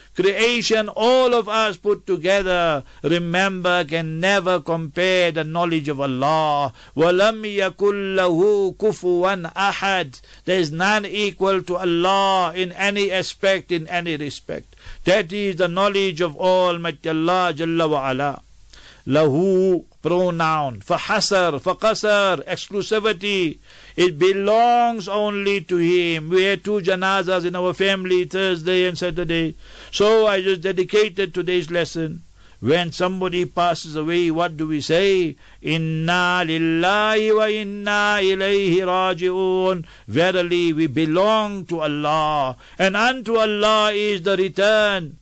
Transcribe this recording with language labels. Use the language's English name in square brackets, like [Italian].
[English] creation, all of us put together, remember, can never compare the knowledge of Allah. [Arabic] وَلَمْ يَكُلْ لَهُ كُفُوًا أَحَدٌ. [English] There is none equal to Allah in any aspect, in any respect. That is the knowledge of Almighty Allah Jalla wa'ala. [Arabic] لَهُ [English] pronoun, [Arabic] فَحَسَرْ فَقَسَرْ [English] exclusivity. It belongs only to him. We had two janazas in our family, Thursday and Saturday. So I just dedicated today's lesson. When somebody passes away, what do we say? [Arabic] إِنَّا لِلَّهِ وَإِنَّا إِلَيْهِ رَاجِعُونَ. [English] Verily, we belong to Allah. And unto Allah is the return.